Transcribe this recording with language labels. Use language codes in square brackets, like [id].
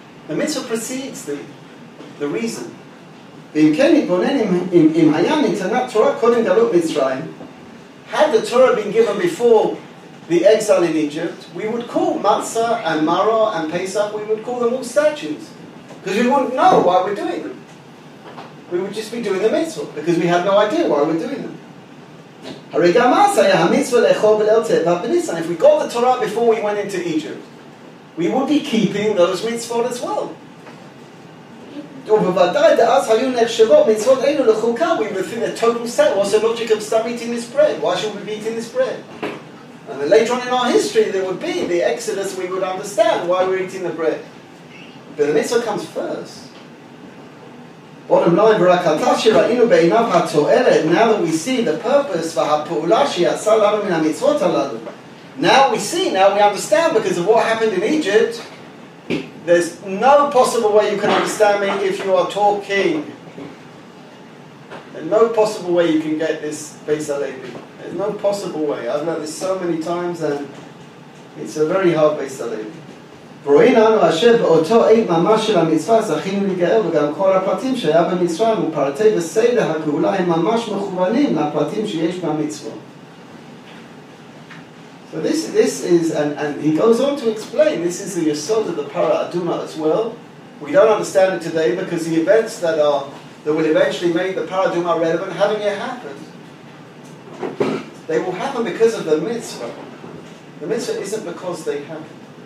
[en] The mitzvah precedes the reason. [he] ואם כן נתבונן אם היה ניתנה תורה קודם גלות מצרים, [en] had the Torah been given before the exile in Egypt, we would call Matzah and Marah and Pesach, we would call them all statutes. Because we wouldn't know why we're doing them. We would just be doing the mitzvah, because we had no idea why we're doing them. [he] הרי גם אז היה המצווה לאכול בליל טבת בניסן. [en] If we got the Torah before we went into Egypt, we would be keeping those mitzvot as well. [he] ובוודאי דאז היו נחשבות מצוות אלו לחוקה. [en] We would think a total set. What's the logic of stop eating this bread? Why should we be eating this bread? And then later on in our history, there would be the Exodus. We would understand why we're eating the bread. But the mitzvah comes first. Bottom line, [he] ורק עתה שראינו בעיניו התועלת, [en] now that we see the purpose [he] והפעולה שיצא לנו מן המצוות הללו. [en] Now we see, now we understand because of what happened in Egypt. There's no possible way you can understand me if you are talking. There's no possible way you can get this Beisalevi. There's no possible way. I've learned this so many times and it's a very hard Beisalevi. [he] ורואין אנו אשר באותו עת ממש של המצווה זכינו לגאל וגם כל הפרטים שהיה במצרים ופרטי וסדר הגאולה הם ממש מכוונים לפרטים שיש במצווה. [en] So this is, and he goes on to explain, this is the yesod of the para aduma as well. We don't understand it today because the events that will eventually make the para aduma relevant haven't yet happened. They will happen because of the mitzvah. The mitzvah isn't because they happen.